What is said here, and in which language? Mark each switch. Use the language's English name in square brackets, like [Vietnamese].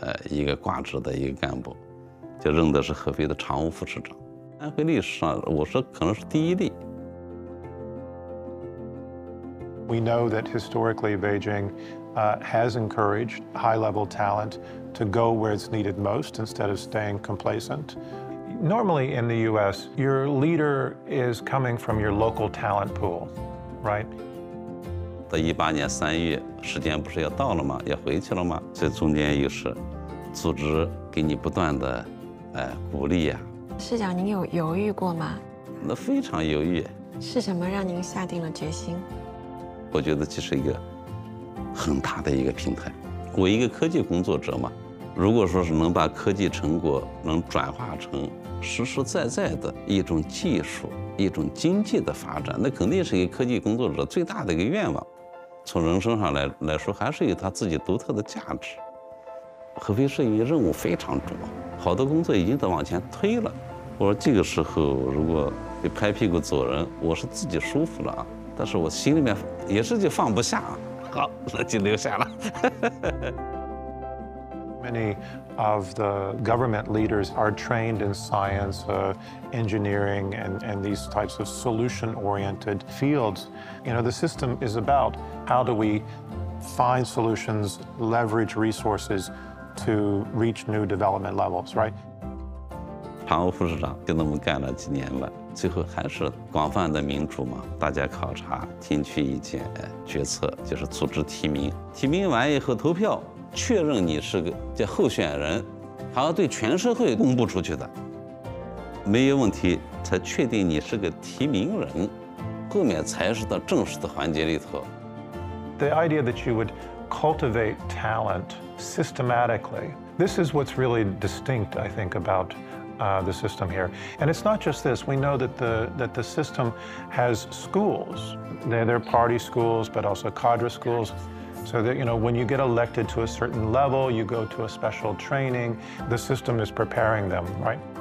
[Chinese] 一个挂职的一个干部，就任的是合肥的常务副市长。安徽历史上，我说可能是第一例。 [English] We know that historically Beijing has encouraged high-level talent to go where it's needed most instead of staying complacent. Normally in the U.S., your leader is coming from your local talent pool, right? [Chinese] 在一八年三月，时间不是要到了吗？要回去了吗？这中间又是组织给你不断的鼓励呀、啊。市长，您有犹豫过吗？那非常犹豫。是什么让您下定了决心？我觉得这是一个很大的一个平台。我一个科技工作者嘛，如果说是能把科技成果能转化成实实在在的一种技术、一种经济的发展，那肯定是一个科技工作者最大的一个愿望。从人生上来说，还是有他自己独特的价值。合肥市因为任务非常重，好多工作已经在往前推了。我说这个时候如果被拍屁股走人，我是自己舒服了啊。但是我心里面也是就放不下、啊，好，那就留下了。 [English] Many of the government leaders are trained in science, engineering, and these types of solution-oriented fields. You know, the system is about how do we find solutions, leverage resources to reach new development levels, right? [Chinese] 常务副市长就那么干了几年了。最后还是广泛的民主嘛，大家考察、听取意见、决策，就是组织提名。提名完以后投票确认你是个叫候选人，还要对全社会公布出去的，没有问题才确定你是个提名人，后面才是到正式的环节里头。 [English] The idea that you would cultivate talent systematically, this is what's really distinct, I think, about. The system here. And it's not just this, we know that the system has schools. They're party schools, but also cadre schools. So that, you know, when you get elected to a certain level, you go to a special training, the system is preparing them, right?